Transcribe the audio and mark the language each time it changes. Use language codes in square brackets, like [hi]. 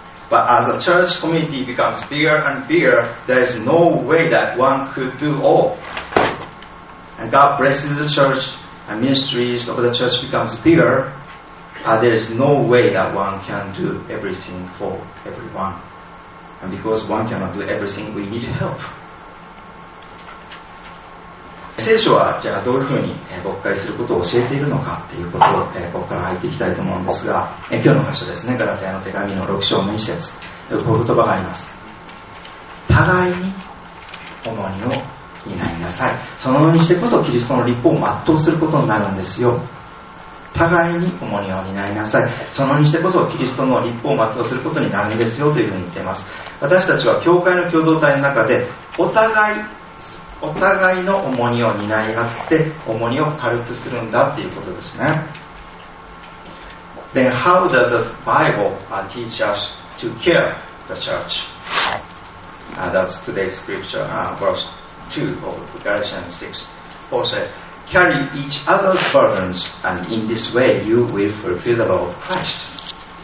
[en] But as the church community becomes bigger and bigger, there is no way that one could do all. And God blesses the church and ministries of the church becomes biggerThere is no way that one can do everything for everyone. And because one cannot do everything, we need help. [ja] 聖書はじゃあどういうふうに牧会することを教えているのかということをここから入っていきたいと思うんですが、今日の箇所ですね、ガラテヤの手紙の6章の1節、こういう言葉があります。互いに重荷を担いなさい。そのようにしてこそキリストの律法を全うすることになるんですよ。互いに重荷を担いなさい。そのにしてこそキリストの律法を全うすることになるんですよというふうに言っています。私たちは教会の共同体の中でお互いの重荷を担い合って重荷を軽くするんだということですね。 [en] Then how does the Bible teach us to care the church? That's today's scripture, verse 2 of Galatians 6. Paul saidCarry each other's burdens, and in this way you will fulfill the law of Christ.